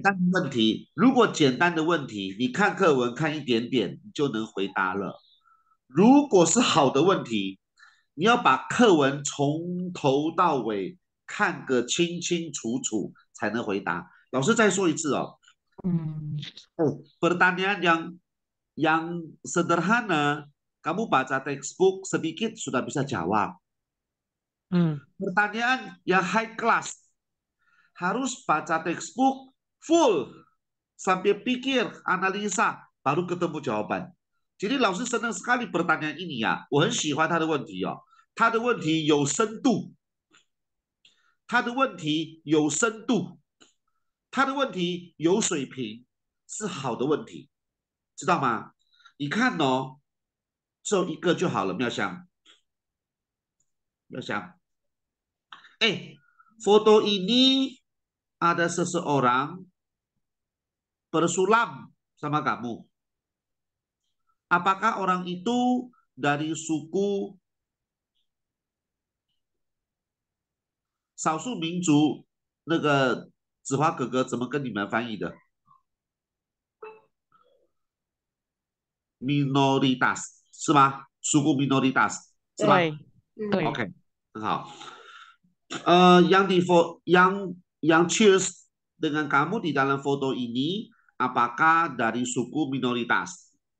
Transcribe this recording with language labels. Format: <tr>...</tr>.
<zh>单的问题，如果简单的问题，你看课文看一点点，你就能回答了。如果是好的问题，你要把课文从头到尾看个清清楚楚才能回答。老师再说一次哦。</zh> <id>Pertanyaan yang sederhana, kamu baca textbook sedikit sudah bisa jawab. Pertanyaan yang</id> <en>high class,</en> <id>harus baca textbook full sampai pikir, analisa, baru ketemu jawaban. Jadi,老师 senang sekali pertanyaan ini ya.</id> <zh>我很喜欢他的问题哦，他的问题有深度，他的问题有深度，他的问题有水平，是好的问题，知道吗？你看哦，就一个就好了，妙香，妙香。</zh> <id>哎，foto ini ada seseorang bersulam sama kamu. Apakah orang itu dari suku</id> <zh>少数民族？那个子华哥哥怎么跟你们翻译的？Minoritas 是吧？属于 minoritas 是吧对，对。？OK，很好。</zh> <id>Yang di foto yang cheers dengan kamu di dalam foto ini, apakah dari suku minoritas?</id>